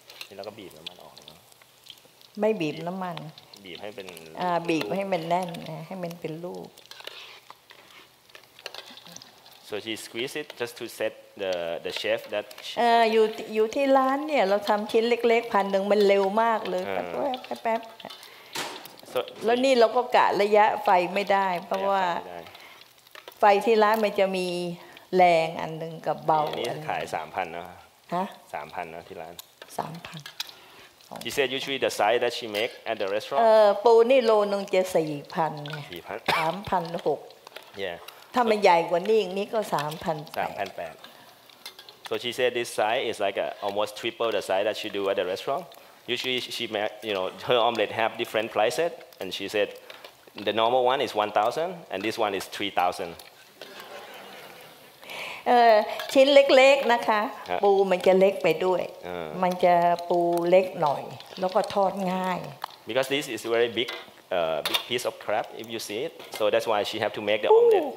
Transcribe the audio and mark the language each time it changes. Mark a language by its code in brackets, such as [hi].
[en] Then we beat it. [th] ไม่บีบน้ำมัน บีบให้เป็น บีบให้มันแน่นให้มันเป็นลูก [en] so she squeeze it just to set the chef that [th] อยู่ที่ร้านเนี่ยเราทำชิ้นเล็กๆพันหนึ่งมันเร็วมากเลยแป๊บ [en] so [th] แล้วนี่เราก็กะระยะไฟไม่ได้เพราะว่าไฟที่ร้านมันจะมีแรงอันหนึ่งกับเบา อันนี้ขาย 3,000 นะ ฮะ 3,000 นะที่ร้าน 3,000 [en] She said usually the size that she make at the restaurant. [th] ปูนี่โลนึงจะ 4,000 4,000 3,600 [en] Yeah. [th] ถ้ามันใหญ่กว่านี้อีกนี้ก็ 3,800 [en] So she said this size is like almost triple the size that she do at the restaurant. Usually she make, you know, her omelet have different prices, and she said The normal one is 1,000, and this one is 3,000. [th] ชิ้นเล็กๆนะคะปูมันจะเล็กไปด้วยมันจะปูเล็กหน่อยแล้วก็ทอดง่าย [en] Because this is very big big piece of crab if you see it so that's why she have to make the omelet